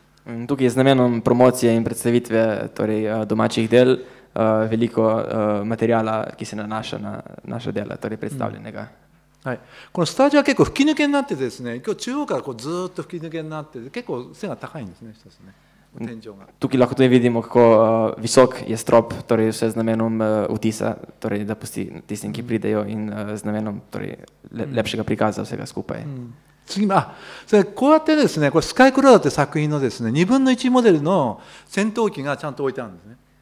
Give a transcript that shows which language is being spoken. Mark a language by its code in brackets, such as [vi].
[sl] Tukaj je z namenom promocije in predstavitve torej domačih del veliko materiala, ki se nanaša na naša dela, torej predstavljenega. [ja] はい、このスタジオは結構吹き抜けになっててですね、今日中央からこうずっと吹き抜けになってて、結構背が高いんですね、天井が。 [sl] Tukaj lahko tudi vidimo, kako visok je strop, torej vse z namenom vtisa, torej da pusti tistim, ki pridejo in z namenom torej lepšega prikaza vsega skupaj. [ja] 次、あ、それこうやってですね、これスカイクラウドって作品のですね、2分の1モデルの戦闘機がちゃんと置いてあるんですね。